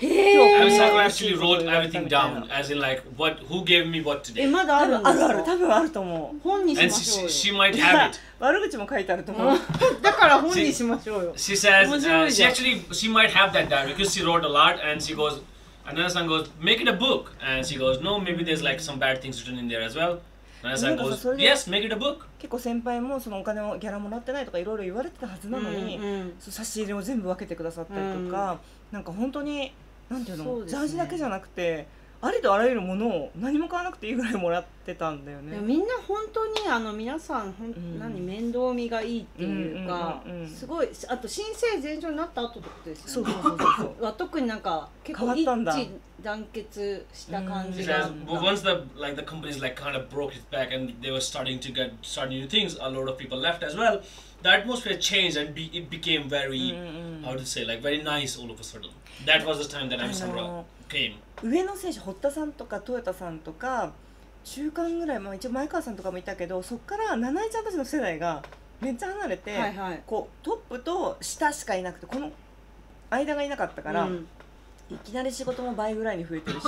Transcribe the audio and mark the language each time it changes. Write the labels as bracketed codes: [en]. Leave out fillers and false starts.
[ja] 今日 [en] I actually wrote everything down, as in like what, who gave me what today. [ja] え、まだあるんですか？あるある、多分あると思う。本にしましょう [en] よ。 And she might have it. [ja] 悪口も書いてあると思う。だから本にしましょうよ。 [en] She says, she actually, she might have that diary, because she wrote a lot and she goes, And Nana-san goes, make it a book. And she goes, no, maybe there's like some bad things written in there as well. Nana-san goes, yes, make it a book. [ja] 結構先輩もそのお金をギャラもらってないとかいろいろ言われてたはずなのに、そう差し入れを全部分けてくださったりとか、なんか本当に、なんていうの、ジャージだけじゃなくて、ありとあらゆるものを何も買わなくていいぐらいもらってたんだよね。みんな本当にあの皆さ ん, ほん、うん、何面倒見がいいっていうか、うんうんうんうん、すごい。あと申請全勝になった後ってことですよね。そうそうそうそう。は特になんか結構一致団結した感じが。 [en] But once the like the company's like kind of broke its back and they were starting to get starting new things, a lot of people left as well. The atmosphere changed and it became very、うんうん、how to say like very nice all of a sudden. That was the time that I'm Sandra. [ja] 上の選手、堀田さんとかトヨタさんとか中間ぐらい、まあ、一応前川さんとかもいたけど、そこから七井ちゃんたちの世代がめっちゃ離れて、はいはい、こうトップと下しかいなくて、この間がいなかったから、うん、いきなり仕事も倍ぐらいに増えてるし、